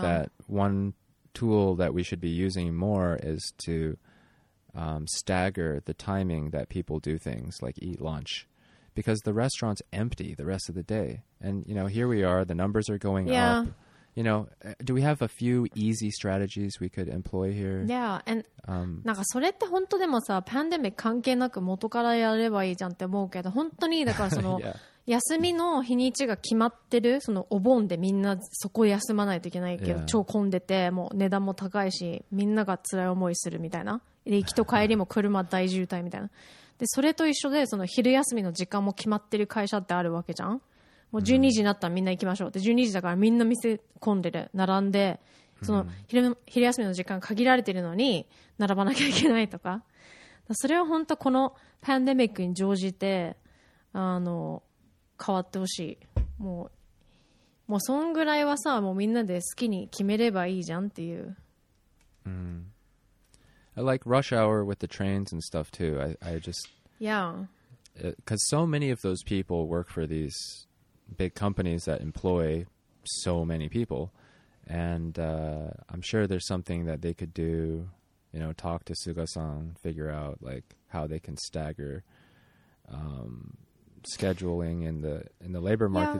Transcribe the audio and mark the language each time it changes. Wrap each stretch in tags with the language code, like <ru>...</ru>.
<en>that one tool that we should be using more is to... stagger the timing that people do things like eat lunch, because the restaurant's empty the rest of the day. And, you know, here we are, the numbers are going、 yeah. up. You know, do we have a few easy strategies we could employ here? Yeah.</en> <ja>And, なんかそれって本当でもさ、パンデミック関係なく元からやればいいじゃんって思うけど、本当にだからその、</ja> <en>yeah.</en> <ja>休みの日にちが決まってる、そのお盆でみんなそこ休まないといけないけど、</ja> <en>yeah.</en> <ja>超混んでて、もう値段も高いし、みんなが辛い思いするみたいな。で行きと帰りも車大渋滞みたいな。でそれと一緒で、その昼休みの時間も決まってる会社ってあるわけじゃん。もう12時になったらみんな行きましょう、で12時だからみんな店混んでる、並んで、その昼休みの時間限られてるのに並ばなきゃいけないとか。だそれは本当このパンデミックに乗じて、あの変わってほしい。もうそんぐらいはさ、もうみんなで好きに決めればいいじゃんっていう。</ja> <en>うん、I like rush hour with the trains and stuff too. I just... Yeah. Because so many of those people work for these big companies that employ so many people. And I'm sure there's something that they could do, you know, talk to Suga-san, figure out like how they can stagger scheduling in the labor market、</en>